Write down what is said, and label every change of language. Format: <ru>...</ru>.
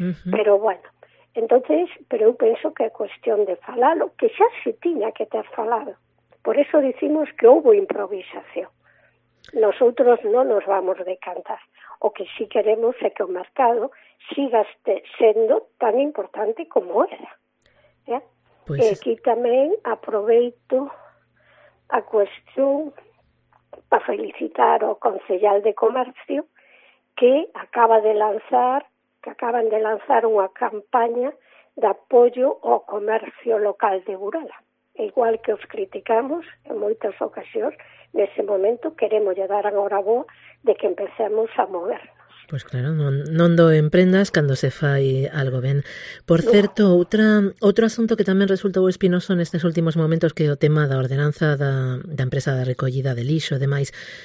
<gl>Pero bueno, entonces, pero eu penso que é cuestión de falalo, que xa se tiña que ter falado.</gl> <es>Por eso decimos que houve improvisación. Nosotros no nos vamos a decantar. O que sí queremos es que el mercado siga siendo tan importante como era. ¿Ya? Pues aquí también aproveito a cuestión para felicitar al concejal de comercio que acaban de lanzar una campaña de apoyo al comercio local de Burela.</es> <gl>Igual que os criticamos en moitas ocasións, nese momento queremos dar a hora boa de que empecemos a movernos. Pois claro, non doen prendas cando se fai algo ben. Por certo, outro asunto que tamén resultou espinoso nestes últimos momentos que é o tema da ordenanza da empresa da recollida de lixo e demais.</gl>